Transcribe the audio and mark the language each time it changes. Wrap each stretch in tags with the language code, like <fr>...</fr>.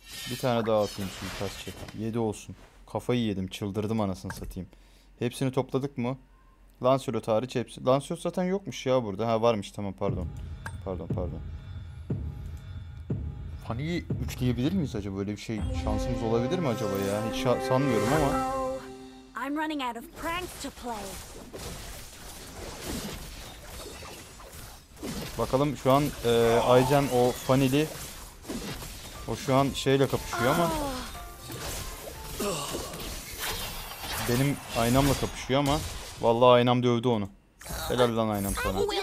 <tr>Bir tane daha atayım şimdi taş. 7 olsun. Kafayı yedim, çıldırdım anasını satayım. Hepsini topladık mı? Lancelot hariç hepsi. Lancelot zaten yokmuş ya burada. Ha varmış, tamam, pardon. Pardon pardon. Fanny'i yükleyebilir miyiz acaba? Böyle bir şey şansımız olabilir mi acaba ya? Hiç sanmıyorum ama.</tr> <en>I'm running out of prank to play.</en> <tr>Bakalım şu an Aizen o Fanny'li. O şu an şeyle kapışıyor ama. Benim aynamla kapışıyor ama. Vallahi aynam dövdü onu. Helal lan aynam sana.</tr>